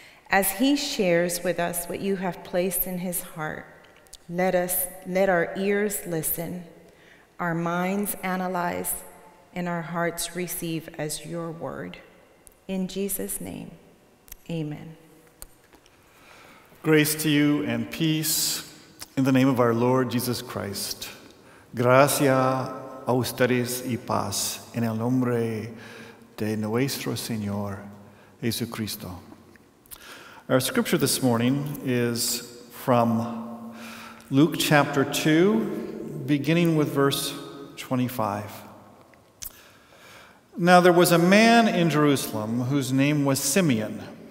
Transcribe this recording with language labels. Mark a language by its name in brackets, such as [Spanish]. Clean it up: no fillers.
[English] As he shares with us what you have placed in his heart, let our ears listen, our minds analyze, and our hearts receive as your word. In Jesus' name, amen. Grace to you and peace in the name of our Lord Jesus Christ. [Spanish] Gracia a ustedes y paz en el nombre de nuestro Señor Jesucristo. [English] Our scripture this morning is from Luke chapter 2, beginning with verse 25. Now there was a man in Jerusalem whose name was Simeon.